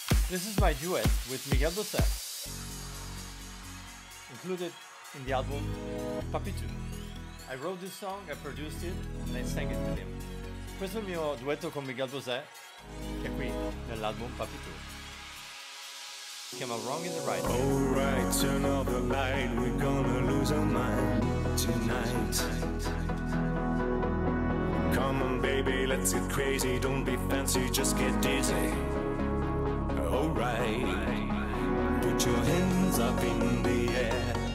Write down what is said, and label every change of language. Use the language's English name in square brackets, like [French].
[English] This is my duet with Miguel Doset, included in the album Papito. I wrote this song, I produced it, and I sang it with him. [Italian] Questo è il mio duetto con Miguel Doset, che è qui nell'album Papito. Si chiama Wrong in the Right. [English] Alright, turn off the light, we're gonna lose our mind tonight. Come on, baby, let's get crazy, don't be fancy, just get dizzy. Alright, put your hands up in the air.